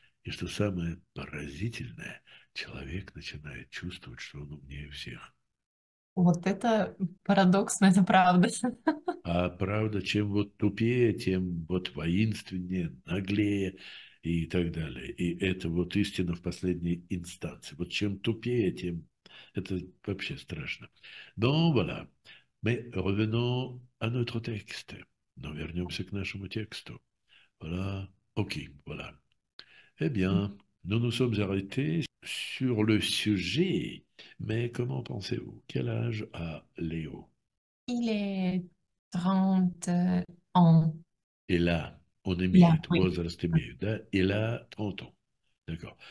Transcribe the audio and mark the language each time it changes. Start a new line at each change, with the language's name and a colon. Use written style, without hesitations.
Russian: И что самое поразительное, человек начинает чувствовать, что он умнее всех. Вот это парадокс, но это правда. А правда, чем вот тупее, тем вот воинственнее, наглее и так далее. И это вот истина в последней инстанции. Вот чем тупее, тем... Это вообще страшно.
French: Donc voilà. Mais revenons à notre texte.
Russian: Но вернемся к нашему тексту.
French: Voilà. OK. Voilà. Eh bien, nous nous sommes arrêtés sur le sujet. Mais comment pensez-vous? Quel âge a Léo? Il est 30 ans. Et là, on Là, émiette, oui.
Russian: возраст имеют, да?
French: Et là, 30 ans. D'accord.